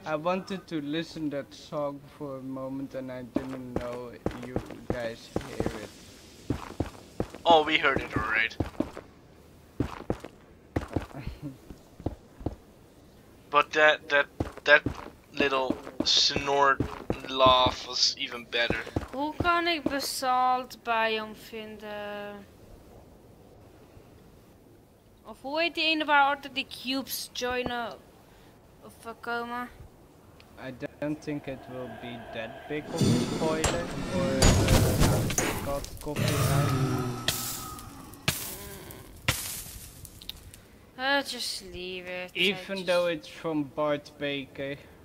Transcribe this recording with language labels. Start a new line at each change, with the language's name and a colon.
English: I wanted to listen that song for a moment and I didn't know you guys hear it. Oh, we heard it alright. But that little snort laugh was even better.
Dutch: Hoe kan ik basalt biome vinden? Of hoe heet die ene waar altijd die cubes joinen of komen?
English: I don't think it will be that big of a spoiler for God copyright. Just leave it. Even though it's from Bart Baker.